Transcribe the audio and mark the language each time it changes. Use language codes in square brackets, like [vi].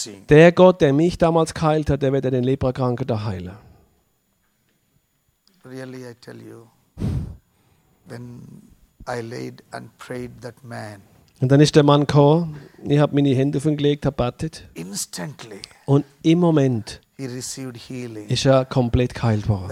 [de] Der Gott, der mich damals geheilt hat, der wird den Leprakranken da heilen. [en] Really, I tell you, when I laid and prayed that man. [de] Und dann ist der Mann gekommen. Ich habe meine Hände auf ihn gelegt, habe betet. [en] Instantly. [de] Und im Moment. [en] He received healing. [de] Ist er komplett geheilt worden.